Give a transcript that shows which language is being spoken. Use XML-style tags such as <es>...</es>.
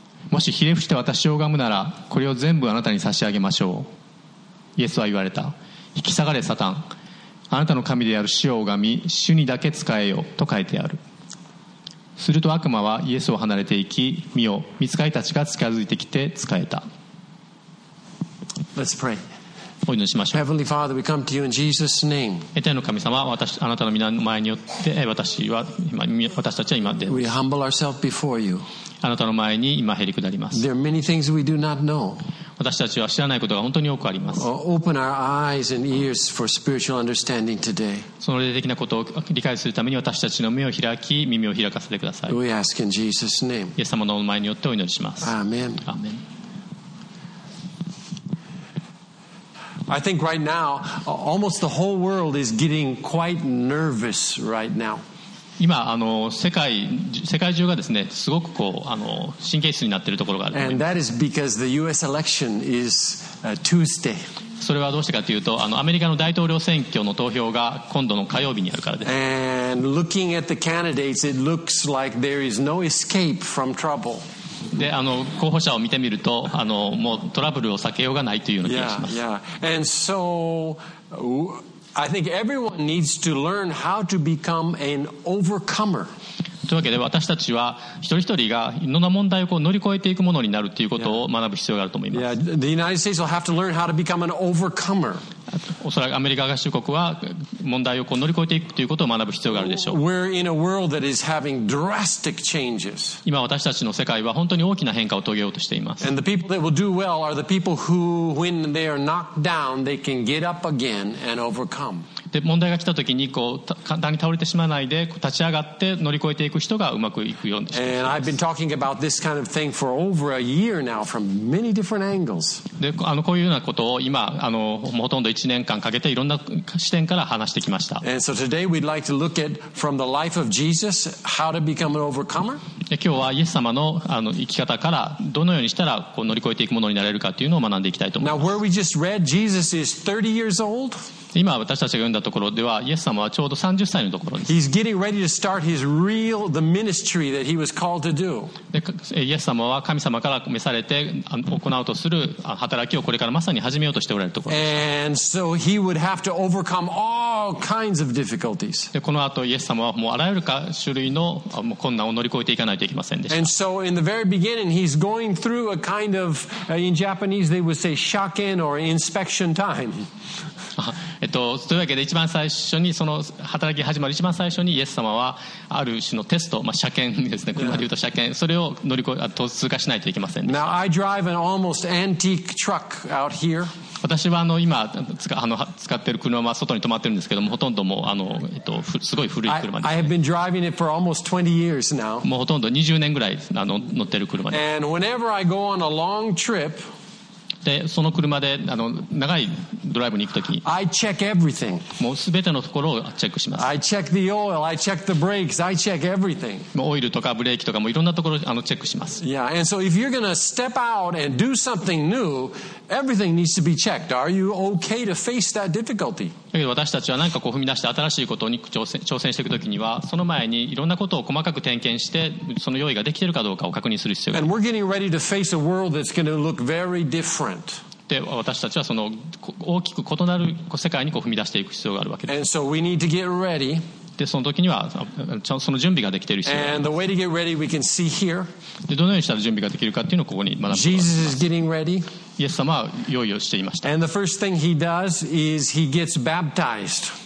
<ja>もしひれ伏して私を拝むならこれを全部あなたに差し上げましょう。イエスは言われた。引き下がれサタン、あなたの神である主を拝み主にだけ仕えよと書いてある。すると悪魔はイエスを離れていき、見よ、御使いたちが近づいてきて仕えた。</ja> <en>Let's pray.</en> <ja>お祈りしましょう。</ja> <en>Heavenly Father, we come to you in Jesus' name.</en> <ja>得天の神様、あなたの御前によって私たちは今です。</ja> <en>We humble ourselves before you.</en> <ja>あなたの前に今へり下ります。</ja> <en>There are many things we do not know.</en> <ja>私たちは知らないことが本当に多くあります。</ja> <en>Open our eyes and ears for spiritual understanding today.</en> <ja>その霊的なことを理解するために私たちの目を開き、耳を開かせてください。</ja> <en>We ask in Jesus' name.</en> <ja>イエス様のお名前によってお祈りします。</ja> <en>Amen. Amen. I think right now, almost the whole world is getting quite nervous right now.</en> <ja>今世界中がですね、すごくこう神経質になっているところがあると思います。</ja> <en>And that is because the US election is Tuesday.</en> <ja>それはどうしてかというと、アメリカの大統領選挙の投票が今度の火曜日にあるからです。</ja> <en>And looking at the candidates, it looks like there is no escape from trouble.</en> <ja>で、候補者を見てみると、もうトラブルを避けようがないというような気がします。</ja> <en>Yeah, yeah. And so,I think everyone needs to learn how to become an overcomer.</en> <ja>というわけで私たちは一人一人がいろんな問題をこう乗り越えていくものになるということを学ぶ必要があると思います。</ja> <en>Yeah, the United States will have to learn how to become an overcomer.</en> <ja>おそらくアメリカ合衆国は問題をこう乗り越えていくということを学ぶ必要があるでしょう。</ja> <en>We're in a world that is having drastic changes.</en> <ja>今私たちの世界は本当に大きな変化を遂げようとしています。</ja> <en>And the people that will do well are the people who, when they are knocked down, they can get up again and overcome.</en> <ja>で問題が来た時にこう簡単に倒れてしまわないで立ち上がって乗り越えていく人がうまくいくようにしています。</ja> <en>And I've been talking about this kind of thing for over a year now from many different angles.</en> <ja>でこういうようなことを今ほとんど1年間かけていろんな視点から話してきました。</ja> <en>And so today we'd like to look at from the life of Jesus how to become an overcomer.</en> <ja>今日はイエス様の生き方からどのようにしたらこう乗り越えていくものになれるかというのを学んでいきたいと思います。</ja> <en>Now where we just read, Jesus is 30 years old.</en> <ja>今私たちが読んだところではイエス様はちょうど30歳のところです。</ja> <en>He's getting ready to start his real the ministry that he was called to do.</en> <ja>イエス様は神様から召されて行おうとする働きをこれからまさに始めようとしておられるところです。</ja> <en>And so he would have to overcome all kinds of difficulties.</en> <ja>この後イエス様はもうあらゆる種類の困難を乗り越えていかないといけませんでした。</ja> <en>And so in the very beginning he's going through a kind of in Japanese they would say shaken or inspection time.</en> <ja>というわけで一番最初にその働き始まる一番最初にイエス様はある種のテスト、まあ、車検ですね、車で言うと車検、それを乗り越え通過しないといけませんでした。</ja> <en>Now I drive an almost antique truck out here.</en> <ja>私は今使っている車は外に止まってるんですけども、ほとんどもうすごい古い車です、ね、</ja> <en>I have been driving it for almost 20 years now.</en> <ja>もうほとんど20年ぐらい乗ってる車です。</ja> <en>And whenever I go on a long trip,</en> <ja>でその車で長いドライブに行くとき、</ja> <en>I check everything.</en> <ja>もうすべてのところをチェックします。</ja> <en>I check the oil, I check the brakes, I check everything.</en> <ja>もうオイルとかブレーキとかもいろんなところチェックします。</ja> <en>Yeah, and so if you're gonna step out and do something new, everything needs to be checked. Are you okay to face that difficulty?</en> <ja>だけど私たちは何かこう踏み出して新しいことに挑戦していくときには、その前にいろんなことを細かく点検して、その用意ができているかどうかを確認する必要がある。</ja> <en>And we're getting ready to face a world that's gonna look very different.</en> <ja>で私たちはその大きく異なる世界にこう踏み出していく必要があるわけです。</ja> <en>And so we need to get ready.</en> <ja>でその時にはその準備ができている必要があります。</ja> <en>And the way to get ready we can see here.</en> <ja>でどのようにしたら準備ができるかっていうのをここに学ぶことがあります。</ja> <en>Jesus is getting ready.</en> <ja>イエス様は用意をしていました。</ja> <en>And the first thing he does is he gets baptized.</en>